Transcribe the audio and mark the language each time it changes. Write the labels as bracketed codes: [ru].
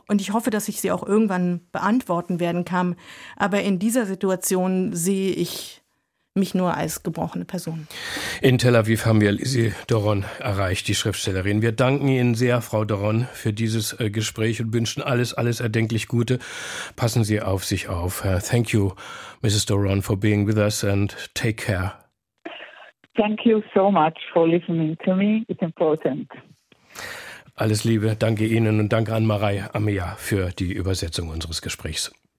[de] Und ich hoffe, dass ich sie auch irgendwann beantworten werden kann. Aber in dieser Situation sehe ich mich nur als gebrochene Person. In Tel Aviv haben wir Lizzie Doron erreicht, die Schriftstellerin. Wir danken Ihnen sehr, Frau Doron, für dieses Gespräch und wünschen alles, alles erdenklich Gute. Passen Sie auf sich auf. [en] Thank you, Mrs. Doron, for being with us and take care. Thank you so much for listening to me. It's important. [de] Alles Liebe, danke Ihnen und danke an Marei Amea für die Übersetzung unseres Gesprächs.